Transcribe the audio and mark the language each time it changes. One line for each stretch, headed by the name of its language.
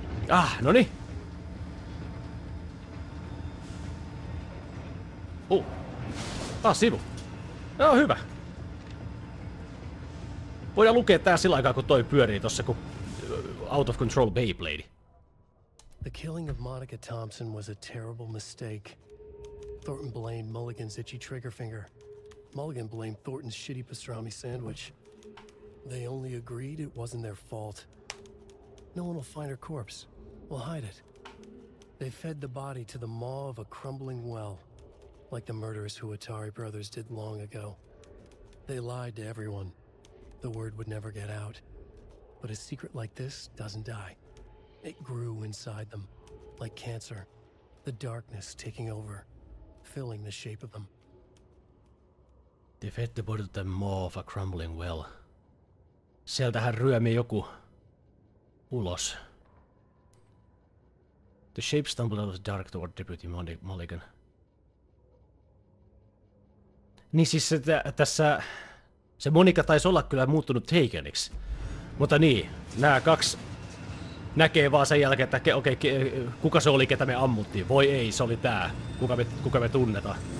Finnish: Ah, no niin. Sivu. Joo, hyvä. Voidaan lukea tää sillä aikaa, kun toi pyörii tossa, kun
English: out of control
Finnish: Beyblade.
English: The killing of Monica Thompson was a terrible mistake. Thornton blamed Mulligan's itchy trigger finger. Mulligan blamed Thornton's shitty pastrami sandwich. They only agreed it wasn't their fault. No one will find her corpse. We'll hide it. They fed the body to the maw of a crumbling well, like the murderous Huatari brothers did long ago. They lied to everyone. The word would never get out. But a secret like this doesn't die. It grew inside them, like cancer. The darkness taking over, filling the shape of them. They fed the body to the maw of a crumbling well.
Finnish: Sieltähän ryömi joku ulos.
English: The shape stumbled out of the dark toward Deputy Mulligan.
Finnish: Niin siis se, tässä se Monika taisi olla kyllä muuttunut Hageniksi. Mutta niin, nämä kaksi näkee vaan sen jälkeen, että okei, kuka se oli, ketä me ammuttiin. Voi ei, se oli tää. Kuka me tunneta.